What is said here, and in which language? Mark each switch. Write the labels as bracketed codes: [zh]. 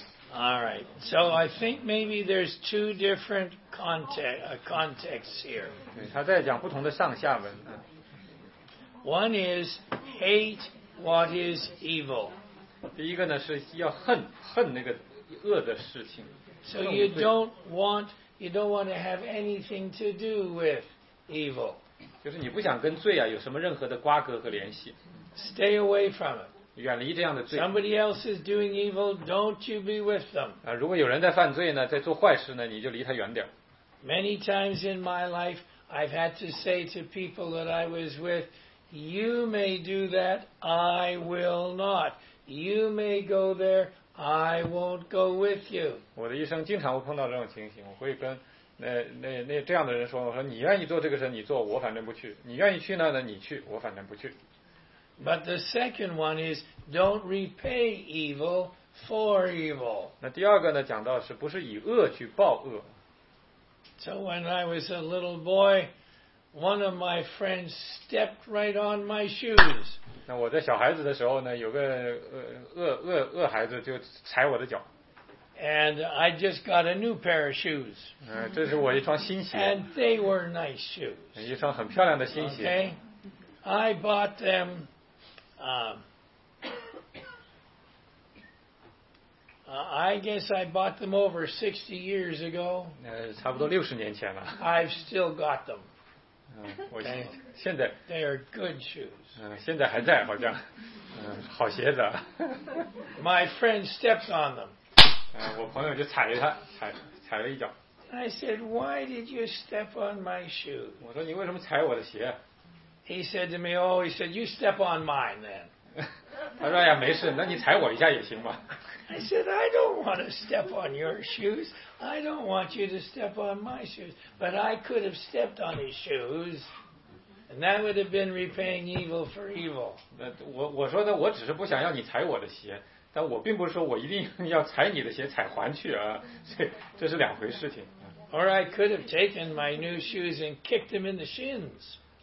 [en] All right, so I think maybe there's two different contexts here. [zh] 对，他在讲不同的上下文。 [en] One is hate what is evil. [zh] 第一个呢是要恨，恨那个恶的事情。 [en] So you don't want to have anything to do with evil. [zh] 就是你不想跟罪啊有什么任何的瓜葛和联系。 [en] Stay away from it. [zh] 远离这样的罪。 [en] Somebody else is doing evil, don't you be with them. [zh] 如果有人在犯罪呢，在做坏事呢，你就离他远点。 [en] Many times in my life, I've had to say to people that I was with, you may do that, I will not. You may go there, I won't go with you. [zh] 我的一生经常会碰到这种情形，我会跟那这样的人说，我说你愿意做这个事你做，我反正不去。你愿意去那呢，你去，我反正不去。 [en] But the second one is don't repay evil for evil. [zh] 那第二个呢，讲到是不是以恶去报恶。 [en] So when I was a little boy, one of my friends stepped right on my shoes. [zh] 那我在小孩子的时候呢，有个恶孩子就踩我的脚。 [en] And I just got a new pair of shoes. [zh] 这是我一双新鞋。 [en] And they were nice shoes. [zh] 一双很漂亮的新鞋。 [en] Okay, I bought them. I guess I bought them over 60 years ago. [zh] 差不多六十年前了。 [en] I've still got them. [zh] 我现在。 [en] They are good shoes. [zh] 现在还在好像。好鞋子。 [en] My friend steps on them. [zh] 我朋友就踩了一脚。 [en] I said, why did you step on my shoe? [zh] 我说你为什么踩我的鞋？ [en] He said to me, oh, he said, you step on mine then. [zh] 他说呀没事那你踩我一下也行吧。 [en] I said, I don't want to step on your shoes. I don't want you to step on my shoes. But I could have stepped on his shoes. And that would have been repaying evil for evil. [zh] 我说呢我只是不想要你踩我的鞋但我并不是说我一定要踩你的鞋踩还去啊这是两回事情。 [en] Or I could have taken my new shoes and kicked them in the shins.